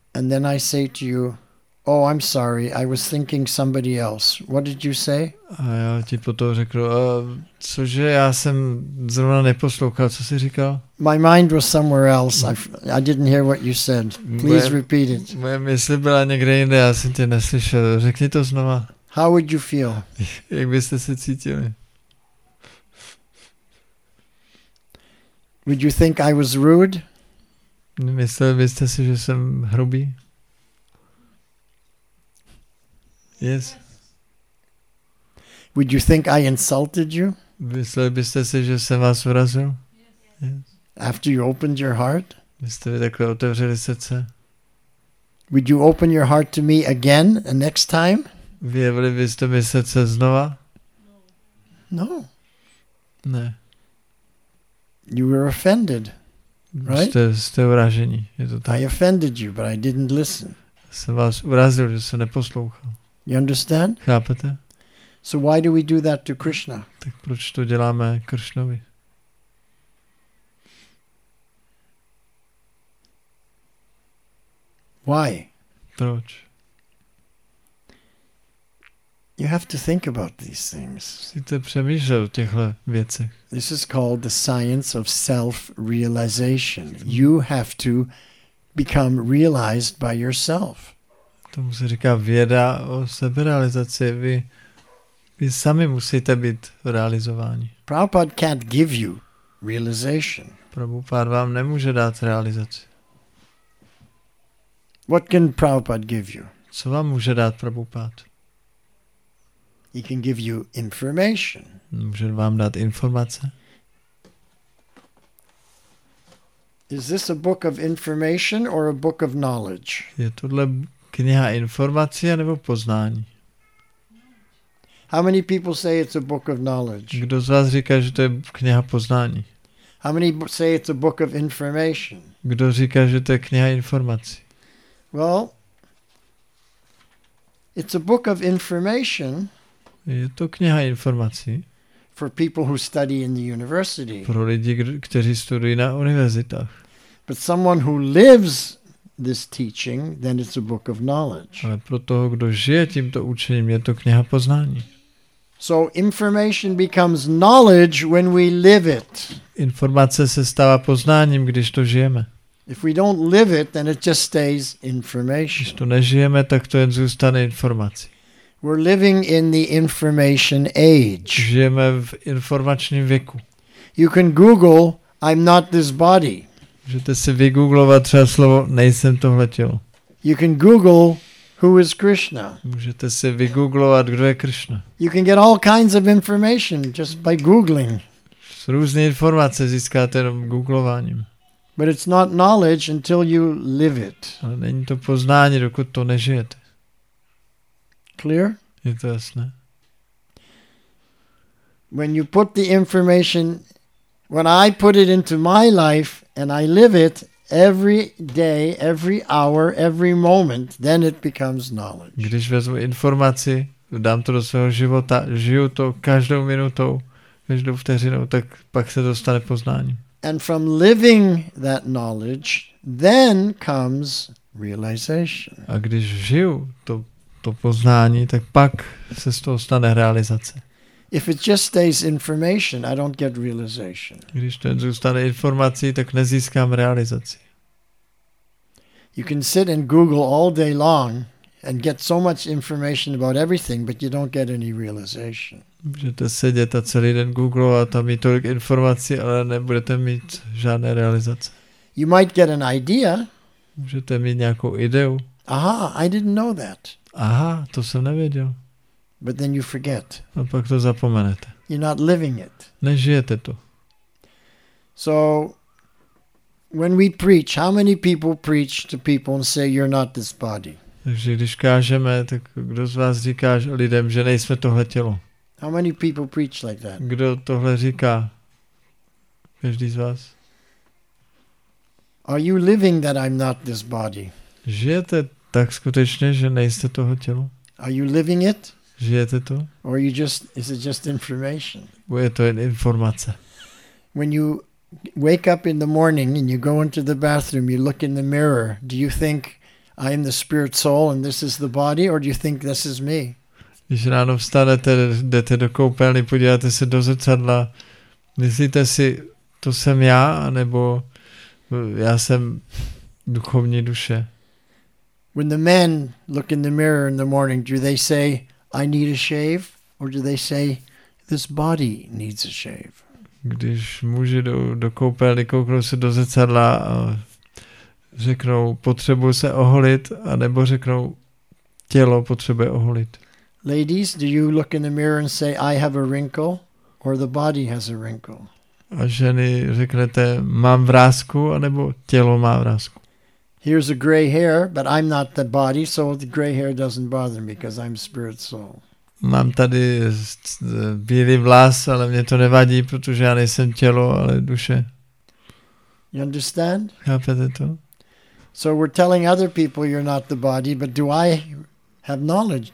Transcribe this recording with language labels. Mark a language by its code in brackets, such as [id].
[en] And then I say to you, oh, I'm sorry, I was thinking somebody else. What did you say? [cs] A já ti potom řekl, cože, já jsem zrovna neposlouchal, co jsi říkal? [en] My mind was somewhere else. I didn't hear what you said. Please repeat it. [cs] Moje mysl byla někde jinde, já jsem tě neslyšel. Řekni to znova. [en] How would you feel? [cs] Jak byste se cítili? [en] Would you think I was rude? [cs] Myslel byste si, že jsem hrubý? [en] Yes. Would you think I insulted you? [cs] Mysleli byste si, že jsem vás urazil? [en] Yes. After you opened your heart? [cs] Byste takhle otevřeli srdce? [en] Would you open your heart to me again the next time? [cs] Vyjevili byste mi srdce znova? [en] No. [cs] Ne. [en] You were offended, right? [cs] Jste uražení. Je to tak. [en] I offended you, but I didn't listen. [cs] Jsem vás urazil, že jsem neposlouchal. [en] You understand? [cs] Chápete? [en] So why do we do that to Krishna? [cs] Tak proč to děláme Krishnovi? [en] Why? [cs] Proč? [en] You have to think about these things. [cs] Musíte přemýšlet o těchto věcech. [en] This is called the science of self-realization. You have to become realized by yourself. [cs] Tomu se říká věda o seberealizaci. Vy sami musíte být realizováni. [en] Prabhupada can't give you realization. [cs] Prabhupada vám nemůže dát realizaci. [en] What can Prabhupada give you? [cs] Co vám může dát Prabhupada? [en] He can give you information. [cs] Může vám dát informace. [en] Is this a book of information or a book of knowledge? [cs] Je tohle kniha informace nebo poznání? [en] How many people say it's a book of knowledge? [cs] Kdo z vás říká, že to je kniha poznání? [en] How many say it's a book of information? [cs] Kdo říká, že to je kniha informací? [en] Well, it's a book of information. [cs] Je to kniha informací. [en] For people who study in the university. [cs] Pro lidi, kteří studují na univerzitách. [en] But someone who lives this teaching, then it's a book of knowledge. [cs] Ale pro toho, kdo žije tímto učením, je to kniha poznání. [en] So information becomes knowledge when we live it. [cs] Informace se stává poznáním, když to žijeme. [en] If we don't live it, then it just stays information. [cs] Když to nežijeme, tak to jen zůstane informací. [en] We're living in the information age. [cs] Žijeme v informačním věku. [en] You can Google, I'm not this body. [cs] Můžete si vygooglovat třeba slovo, nejsem tohle tělo. [en] You can Google, who is Krishna. [cs] Můžete si vygooglovat, kdo je Krishna. [en] You can get all kinds of information just by googling. [cs] Různé informace získáte jenom googlováním. [en] But it's not knowledge until you live it. [cs] Ale není to poznání, dokud to nežijete. [en] Clear? [cs] Je to jasné. [en] When you put the information, when I put it into my life and I live it every day, every hour, every moment, then it becomes knowledge. [cs] Když vezmu informaci, dám to do svého života, žiju to každou minutou, každou vteřinou, tak pak se to stane poznáním. [en] And from living that knowledge, then comes realization. [cs] A když žiju to poznání, tak pak se z toho stane realizace. [en] If it just stays information, I don't get realization. [cs] Když to jen zůstane informací, tak nezískám realizaci. [en] You can sit and Google all day long and get so much information about everything, but you don't get any realization. [cs] Můžete sedět a celý den googlovat a mít tolik informací, ale nebudete mít žádné realizace. [en] You might get an idea. [cs] Můžete mít nějakou ideu. [en] Aha, I didn't know that. [cs] Aha, to jsem nevěděl. [en] But then you forget. [cs] A pak to zapomenete. [en] You're not living it. [cs] Nežijete to. [en] So when we preach, how many people preach to people and say you're not this body? [cs] Takže když kážeme, tak kdo z vás říká lidem, že nejsme tohle tělo? [en] How many people preach like that? [cs] Kdo tohle říká? Každý z vás? [en] Are you living that I'm not this body? [cs] Žijete tak skutečně, že nejste toho tělo? [en] Are you living it? [cs] Žijete to? [en] Or are you just, is it just information? [cs] Je to jen informace. [en] When you wake up in the morning and you go into the bathroom, you look in the mirror, do you think I am the spirit soul and this is the body, or do you think this is me? [cs] Když ráno vstanete, jdete do koupelny, podíváte se do zrcadla, myslíte si, to jsem já, nebo já jsem duchovní duše. [en] When the men look in the mirror in the morning, do they say, I need a shave, or do they say, this body needs a shave? [cs] Když muži jdou do koupelny, kouknou se do zrcadla a řeknou, potřebuji se oholit, anebo řeknou, tělo potřebuje oholit. [en] Ladies, do you look in the mirror and say, I have a wrinkle, or the body has a wrinkle? [cs] A ženy řeknete, mám vrásku, anebo tělo má vrásku? [en] Here's a gray hair, but I'm not the body, so the gray hair doesn't bother me, because I'm spirit soul. [cs] Mám tady bílý vlas, ale mě to nevadí, protože já nejsem tělo, ale duše. [en] You understand? [cs] Chápete to? [en] So we're telling other people you're not the body, but do I have knowledge?